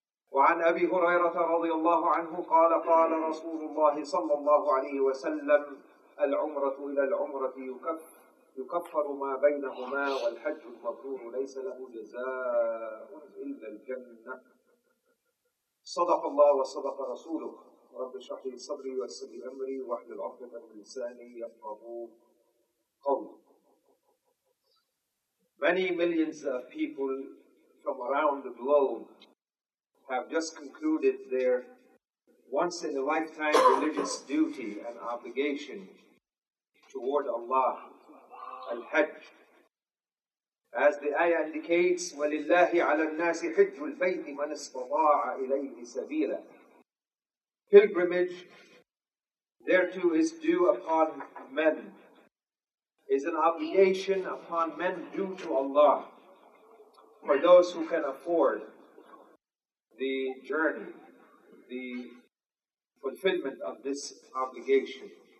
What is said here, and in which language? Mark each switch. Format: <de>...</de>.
<ar>وعن أبي هريرة رضي الله عنه قال: قال رسول الله صلى الله عليه وسلم: العمرة إلى العمرة يكفر ما بينهما، والحج المبرور ليس له جزاء إلا الجنة. صدق الله وصدق رسوله. رب اشرح لي صدري ويسر لي أمري واحلل عقدة من لساني يفقهوا قولي.</ar> <en>Many millions of people from around the globe have just concluded their once in a lifetime religious duty and obligation toward Allah.</en> <ar>Al-Hajj.</ar> <en>As the ayah indicates,</en> <ar>وَلِلَّهِ عَلَى النَّاسِ حِجُّ الْبَيْتِ مَنِ اسْتَطَاعَ إِلَيْهِ سَبِيلًا.</ar> <en>Pilgrimage, thereto is due upon men, is an obligation upon men due to Allah, for those who can afford the journey, the fulfillment of this obligation.</en>